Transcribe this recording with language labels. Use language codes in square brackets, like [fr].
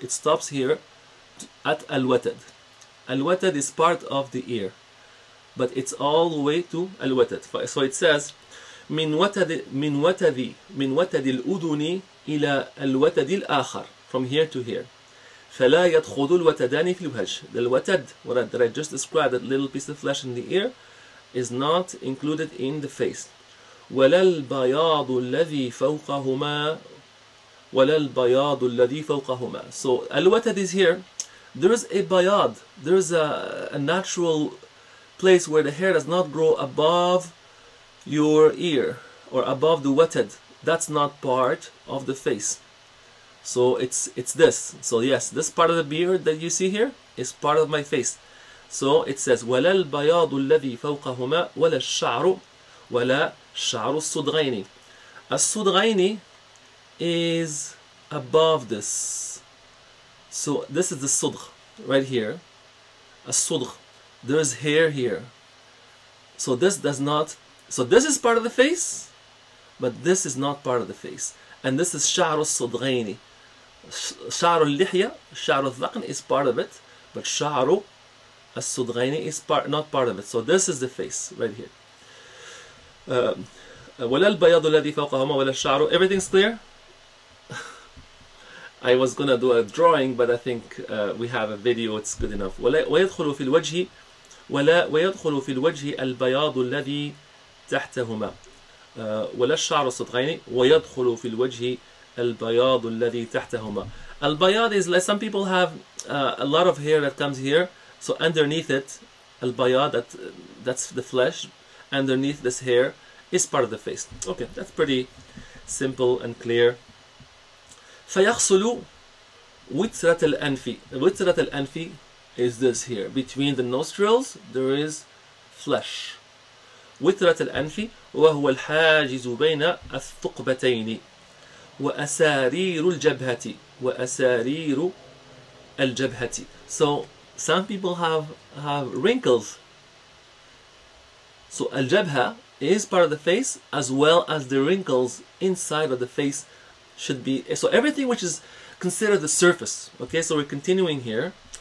[en] It stops here at al-watad. Al-watad is part of the ear, but it's all the way to al-watad. So it says, [ar] min watadi al-uduni ila al-watadi al-akhar, [en] from here to here. [ar] فلا يدخلوا الوتدان في الوجه. [en] The الوتد, what I did, I just described, that little piece of flesh in the ear, is not included in the face. [ar] ولا البياض الذي فوقهما, ولا البياض الذي فوقهما. [en] So الوتد is here. There is a bayad. There is a natural place where the hair does not grow above your ear or above the watad. That's not part of the face. So it's this. So yes, this part of the beard that you see here is part of my face. So it says [ar] ولا البياض الذي فوقهما ولا الشعر ولا شعر الصدغين. [en] الصدغين is above this. So this is the sudgh right here. A sudgh. There is hair here. So this does not, so this is part of the face, but this is not part of the face. And this is [ar] شعر الصدغين. شعر اللحية, شعر الذقن [en] is part of it, but شعر الصدغين is part, not part of it. So this is the face right here. [ar] ولا البياض الذي فوقهما ولا الشعر. [en] Everything's clear? I was gonna do a drawing, but I think we have a video. It's good enough. [ar] ولا ويدخل في الوجه ولا ويدخل في الوجه البياض الذي تحتهما ولا الشعر الصدغين ويدخل في الوجه البياض الذي تحتهما. [en] البياض is like some people have a lot of hair that comes here. So underneath it, البياض, that's the flesh. Underneath this hair is part of the face. Okay, that's pretty simple and clear. [ar] فيغسل وترة الأنف. [en] وترة الأنف is this here. Between the nostrils, there is flesh. [ar] وترة الأنف وهو الحاجز بين الثقبتين وأسارير الجبهة. وأسارير الجبهة. [en] So, some people have wrinkles. So, الجبهة is part of the face as well as the wrinkles inside of the face. Should be, so everything which is considered the surface. Okay, so we're continuing here.